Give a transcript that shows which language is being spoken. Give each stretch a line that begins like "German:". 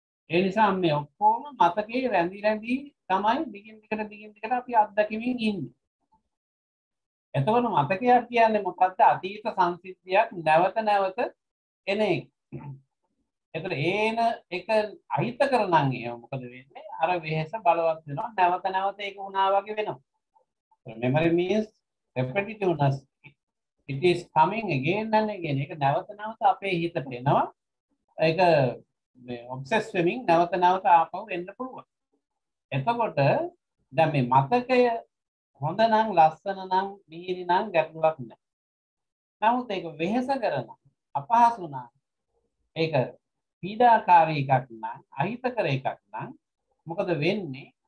Sinhala: ඒ නිසා මේ ඔක්කොම මතකේ රැඳි රැඳි තමයි දිගින් දිගට දිගින් දිගට අපි අද්දකීමින් ඉන්නේ. එතකොට මතකය කියන්නේ මොකද්ද? අතීත සංසිද්ධියක් නැවත නැවත එන එක. එතකොට ඒන එක අහිත කරනන් ඒව මොකද වෙන්නේ? අර වෙහෙස බලවත් වෙනවා. නැවත නැවත ඒක වුණා වගේ වෙනවා.
English: Memory means repetitiveness. It is coming again and again.
Sinhala: ඒක නැවත නැවත අපේ හිතට එනවා. ඒක මේ obsess වෙමින් නැවත නැවත ආපහු එන්න පුළුවන්. එතකොට දැන් මේ මතකය හොඳ නම් ලස්සන නම් මිහිරි නම් ගැටලුවක් නැහැ. නමුත් ඒක වෙහෙස කරන අපහසු නම් ඒක පීඩාකාරී එකක් නම් අහිතකර එකක් නම් මොකද වෙන්නේ?